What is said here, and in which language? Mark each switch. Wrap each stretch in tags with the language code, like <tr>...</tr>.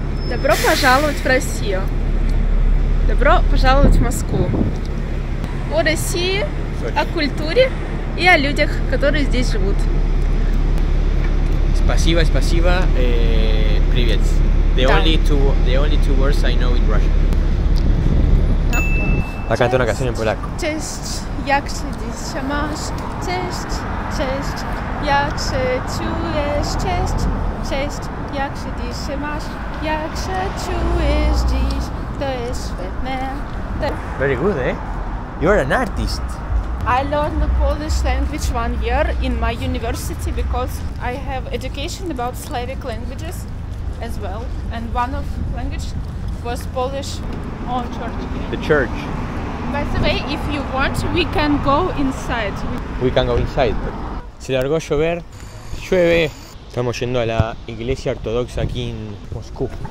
<ru>Добро пожаловать в Россию. Добро пожаловать в Москву. О России, о культуре и о людях, которые здесь живут. Спасибо, спасибо, привет.</ru> <en>The only two words I know in Russian.</en> <es>Va a cantar una canción en polaco.</es> <pl>Cześć, jak się dziś masz? Cześć, cześć, jak się czujesz? Cześć, cześć, jak się dziś masz? Jak się czujesz dziś? To jest świetne.</pl> <en>Very good, eh? You are an artist. I learned the Polish language 1 year in my university because I have education about Slavic languages as well. And one of language was Polish on church. The church. By the way, if you want, we can go inside. We can go inside.</en> <es>Se largó a llover. Llueve. Estamos yendo a la iglesia ortodoxa aquí en Moscú.</es>